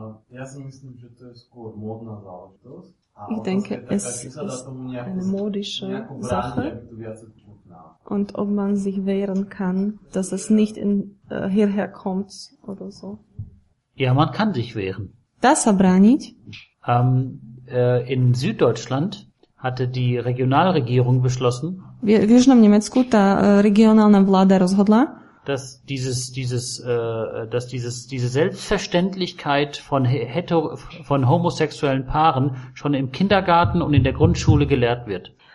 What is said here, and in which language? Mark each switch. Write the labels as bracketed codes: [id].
[sk] Ja si myslím, že to je skôr módna záležitosť. [de] Ich denke, es ist eine modische Sache und ob man sich wehren kann, dass es nicht in hierher kommt oder so. Ja, man kann sich wehren. Das abranit. In Süddeutschland hatte die Regionalregierung beschlossen, [sk] v Južnom Nemecku tá regionálna vláda rozhodla, [de] dass diese Selbstverständlichkeit von homosexuellen Paaren schon im Kindergarten und in der Grundschule gelehrt wird.